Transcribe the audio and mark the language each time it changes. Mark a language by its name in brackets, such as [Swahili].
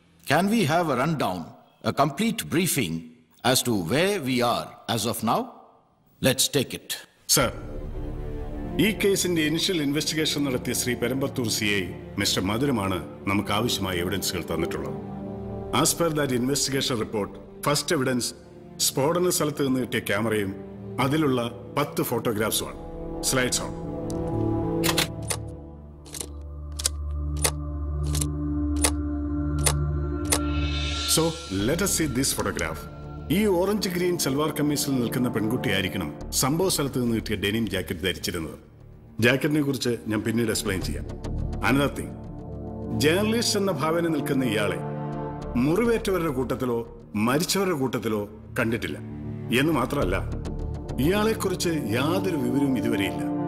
[English] Can we have a rundown, a complete briefing as to where we are as of now? Let's take it. [Malayalam] Sir, ഈ കേസിന്റെ initial investigation നടത്തിയ Shri പെരമ്പത്തൂർ CI mister മധുരമാണ് നമുക്ക് ആവശ്യമായ എവിഡൻസുകൾ തന്നിട്ടുള്ളത്. [English] As per that investigation report, first evidence, [Malayalam] സ്ഫോടന സ്ഥലത്ത് നിന്ന് കിട്ടിയ ക്യാമറയും അതിലുള്ള 10 ഫോട്ടോഗ്രാഫ്സുമാണ്. [English] Slides on. So, let us see this photograph. [Malayalam] ഈ ഓറഞ്ച് ഗ്രീൻ സൽവാർ കമ്മീസിൽ നിൽക്കുന്ന പെൺകുട്ടി ആയിരിക്കണം സംഭവ സ്ഥലത്ത് നിന്ന് കിട്ടിയ ഡെനിം ജാക്കറ്റ് ധരിച്ചിരുന്നത്. ജാക്കറ്റിനെ കുറിച്ച് ഞാൻ പിന്നീട് എക്സ്പ്ലെയിൻ ചെയ്യാം. [English] another thing [Malayalam] ജേർണലിസ്റ്റ് എന്ന ഭാവന നിൽക്കുന്ന ഇയാളെ മുറിവേറ്റവരുടെ കൂട്ടത്തിലോ മരിച്ചവരുടെ കൂട്ടത്തിലോ കണ്ടിട്ടില്ല എന്ന് മാത്രമല്ല, ഇയാളെക്കുറിച്ച് യാതൊരു വിവരവും ഇതുവരെയില്ല.